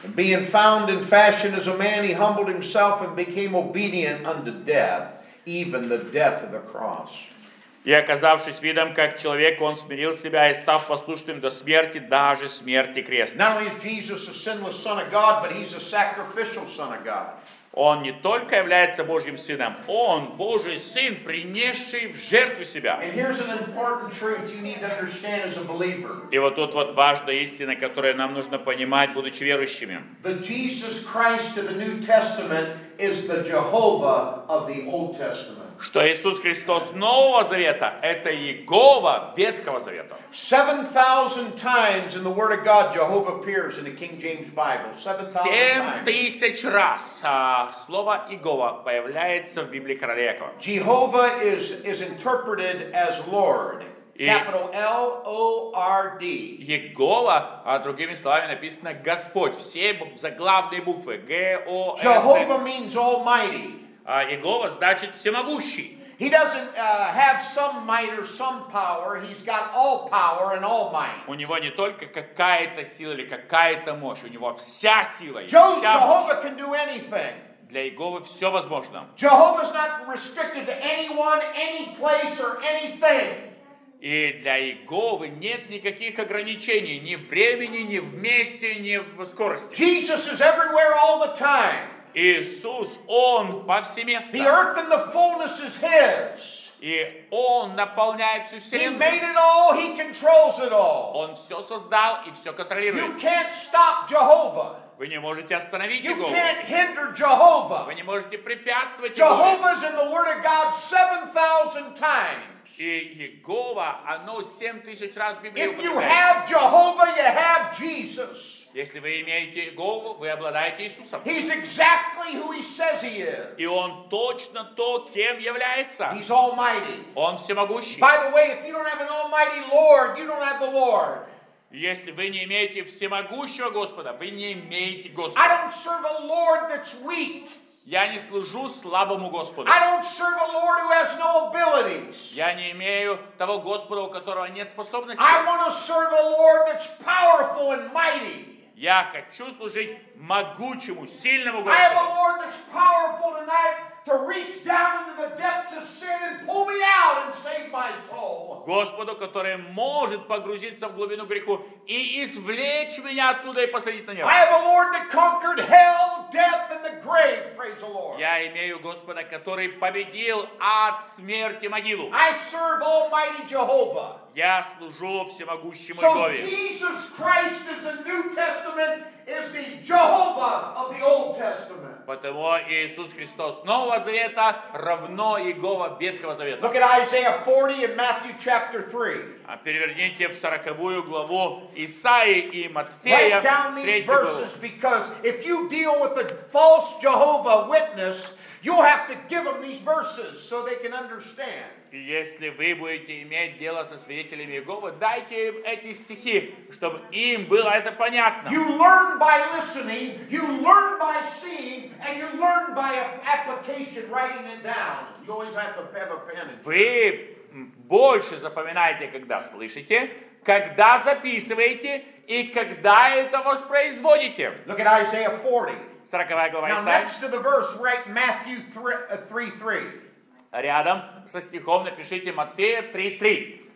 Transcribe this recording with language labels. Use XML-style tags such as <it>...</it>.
<en>Being found in fashion as a man, he humbled himself and became obedient unto death, even the death of the cross.</en> <ru>И оказавшись видом как человек, он смирил себя и став послушным до смерти, даже смерти креста.</ru> <en>Not only is Jesus a sinless Son of God, but He's a sacrificial Son of God.</en> <ru>Он не только является Божьим Сыном, Он Божий Сын, принесший в жертву Себя.</ru> <en>And here's an important truth you need to understand as a believer.</en> <ru>И вот тут вот важная истина, которую нам нужно понимать, будучи верующими.</ru> <en>The Jesus Christ of the New Testament is the Jehovah of the Old Testament.</en> <ru>Что Иисус Христос Нового Завета – это Иегова Ветхого Завета.</ru> <en>7,000 times in the Word of God Jehovah appears in the King James Bible.</en> <ru>7,000 раз слово Иегова появляется в Библии Короля Якова.</ru> <en>Jehovah is interpreted as Lord. Capital L-O-R-D.</en> <ru>Иегова, а другими словами написано Господь. Все заглавные буквы. G-O-S-D.</ru> <en>Jehovah means Almighty.</en> <ru>Иегова значит всемогущий.</ru> <en>He doesn't have some might or some power. He's got all power and all might.</en> <ru>У него не только какая-то сила или какая-то мощь, у него вся сила.</ru> <en>Jehovah can do anything.</en> <ru>Для Иеговы все возможно.</ru> <en>Jehovah's not restricted to anyone, any place or anything.</en> <ru>И для Иеговы нет никаких ограничений ни в времени, ни в месте, ни в скорости.</ru> <en>Jesus is everywhere all the time.</en> <ru>Иисус, Он повсеместно.</ru> <en>The earth and the fullness is His.</en> <ru>И Он наполняет всю вселенную.</ru> <en>He made it all, He controls it all.</en> <ru>Он все создал и все контролирует.</ru> <en>You can't stop Jehovah.</en> <ru>Вы не можете остановить Его.</ru> <en>You can't hinder Jehovah.</en> <ru>Вы не можете препятствовать Его.</ru> <en>Jehovah's in the Word of God 7,000 times.</en> <ru>И Иегова, оно 7000 раз в Библии.</ru> <en>If you have Jehovah, you have Jesus.</en> <ru>Если вы имеете Иегову, вы обладаете Иисусом.</ru> <en>He's exactly who he says he is.</en> <ru>И он точно то, кем является.</ru> <en>He's almighty.</en> <ru>Он всемогущий.</ru> <en>By the way, if you don't have an almighty Lord, you don't have the Lord.</en> <ru>Если вы не имеете всемогущего Господа, вы не имеете Господа.</ru> <en>I don't serve a Lord that's weak.</en> <ru>Я не служу слабому Господу.</ru> <en>I don't serve a Lord who has no abilities.</en> <ru>Я не имею того Господа, у которого нет способностей.</ru> <en>I want to serve a Lord that's powerful and mighty.</en> <ru>Я хочу служить могучему, сильному Господу.</ru> <en>I have a Lord that's powerful tonight to reach down into the depths of sin and pull me out and save my soul.</en> <ru>Господу, который может погрузиться в глубину греху и извлечь меня оттуда и посадить на небо.</ru> <en>I have a Lord that conquered hell, death and the grave, praise the Lord.</en> <ru>Я имею Господа, который победил ад, смерть и могилу.</ru> <en>I serve Almighty Jehovah.</en> <ru>Я служу всемогущему Иегове.</ru> <en>So Jesus Christ is the New Testament, is the Jehovah of the Old Testament.</en> <ru>Потому Иисус Христос Нового Завета равно Иегова Ветхого Завета.</ru> <en>Look at Isaiah 40 and Matthew chapter 3.</en> <ru>А переверните в 40-ю главу Исаии и Матфея.</ru> <en>Write down these verses because if you deal with a false Jehovah witness, you'll have to give them these verses so they can understand.</en> <ru>И если вы будете иметь дело со свидетелями Иеговы, дайте им эти стихи, чтобы им было это понятно.</ru> <en>You learn by listening, you learn by seeing, and you learn by application, writing it down. You always have to have a pen.</en> <ru>Вы больше запоминаете, когда слышите, когда записываете и когда это воспроизводите.</ru> <en>Look at Isaiah 40.</en> <ru>40-я глава</ru> <en>Исаии. Now next to the verse, write Matthew 3:3.</en> <ru>Рядом со стихом напишите Матфея 3:3.</ru>